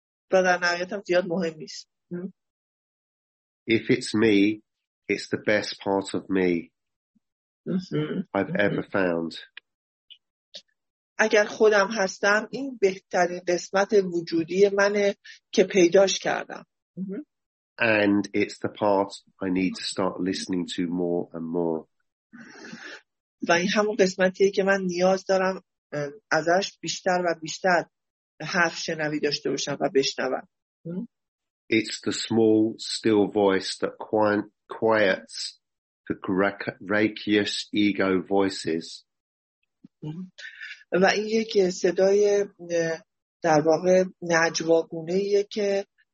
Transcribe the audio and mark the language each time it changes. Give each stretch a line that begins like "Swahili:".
English: If it's me, it's the best part of me I've ever found.
Persian: اگر خودم هستم، این بهترین قسمت وجودی منه که پیداش کردم.
English: And it's the part I need to start listening to more and more.
Persian: و این همون قسمتیه که من نیاز دارم ازش بیشتر و بیشتر حرف شنوی داشته باشم و بشنوم.
English: It's the small still voice that quiets the rakish ego voices.
Persian: و این یک صدای در واقع نجواگونهیه که